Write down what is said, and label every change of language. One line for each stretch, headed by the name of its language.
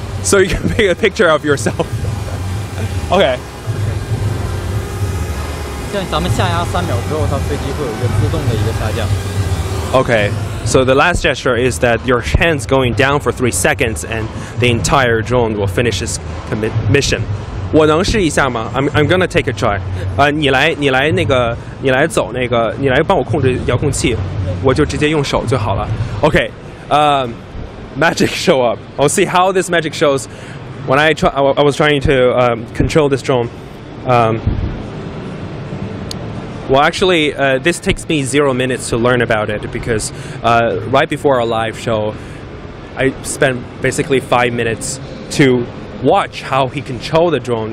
English: So you can make a picture of yourself. Okay.
Chinese: 像咱们下压三秒之后，它飞机会有一个自动的一个下降。
English: Okay. So the last gesture is that your hands going down for 3 seconds, and the entire drone will finish its mission.
Chinese: 我能试一下吗
English: ？I'm gonna take a try.
Chinese: 你来帮我控制遥控器，我就直接用手就好了。
English: Okay. Magic show up. I'll see how this magic shows. When I was trying to control this drone. This takes me 0 minutes to learn about it because right before our live show, I spent basically 5 minutes to watch how he control the drone.